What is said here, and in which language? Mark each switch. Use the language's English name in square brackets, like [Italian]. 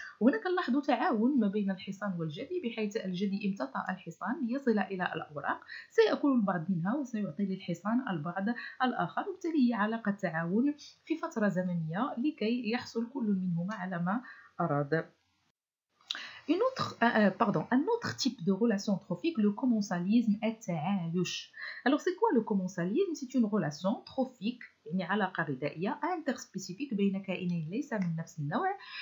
[Arabic] هنا كنلاحظوا تعاون ما بين الحصان والجدي، بحيث الجدي امتطى الحصان ليصل إلى الأوراق، سيأكل البعض منها وسيعطي للحصان البعض الآخر، وبالتالي هي علاقة تعاون في فترة زمنية لكي يحصل كل منهما على ما أراد. [French] Un autre type de relation trophique, le commensalisme et ta'ayush. Alors, c'est quoi le commensalisme? C'est une relation trophique, [Arabic] يعني علاقة غذائية interspecifique بين كائنين ليس من نفس النوع.